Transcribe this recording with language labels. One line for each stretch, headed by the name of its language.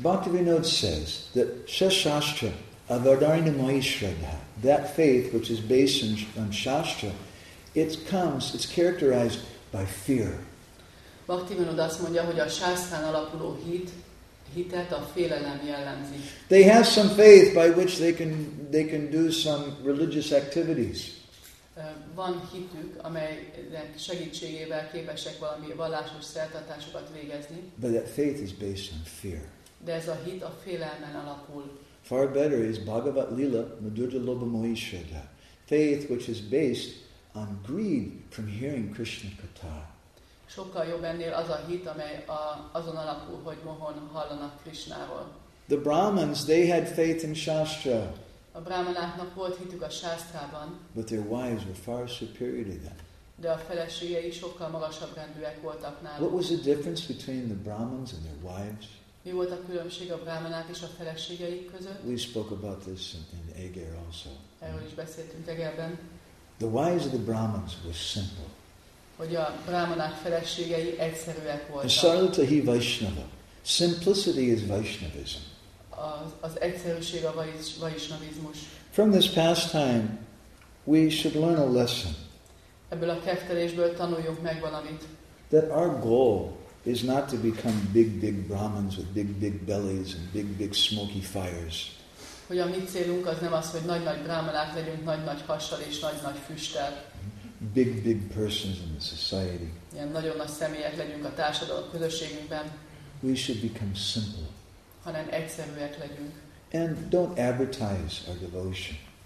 English: Bhaktivinoda says that
Sanskrit: Sashastra Avadharini Mayi Shraddha,
English: that faith which is based on Shastra, it's characterized by fear.
Hungarian: Bhaktivinoda azt mondja, hogy a Shastrán alapuló hit, hitet a félelem jellemzi.
English: They have some faith by which they can do some religious activities.
Hungarian: Van hitük, amelynek segítségével képesek valami vallásos szertartásokat végezni.
English: But that faith is based on fear.
Hungarian: De ez a hit a félelmen alapul.
English: Far better is
Sanskrit: Bhagavat Lila Madhurja Lobamoyi Shraddha,
English: faith which is based on greed from hearing Krishna katha.
Hungarian: Sokkal jobb ennél az a hit, amely azon alapul, hogy mohon hallanak Krishnáról.
English: The Brahmins, they had faith in Shastra.
Hungarian: A brahmanáknak volt hitük a Shastrában.
English: But their wives were far superior to them.
Hungarian: De a feleségei sokkal magasabb rendűek voltak náluk.
English: What was the difference between the Brahmins and their wives?
Hungarian: Mi volt a különbség a brahmanák és a feleségeik között?
English: We spoke about this in Eger also.
Hungarian: Erről is beszéltünk Egerben.
English: The wives of the Brahmins were simple.
Hungarian: Hogy a brahmanák feleségei egyszerűek voltak.
Sanskrit: Sarlatahi Vaishnava.
English: Simplicity is Vaishnavism.
Hungarian: Az egyszerűség a Vaishnavizmus.
English: From this pastime, we should learn a lesson.
Hungarian: Ebből a keftelésből tanuljunk meg valamit.
English: That our goal is not to become big Brahmins with big bellies and big smoky fires.
Hungarian: Hogy a mi célunk az nem az, hogy nagy brahmanák legyünk nagy hassal és nagy füsttel.
English: Big persons in the society.
Hungarian: Igen, nagyon nagy személyek legyünk a társadalom közösségünkben.
English: We should become simple.
Hungarian: Hanem egyszerűek legyünk.
English: And don't advertise our devotion.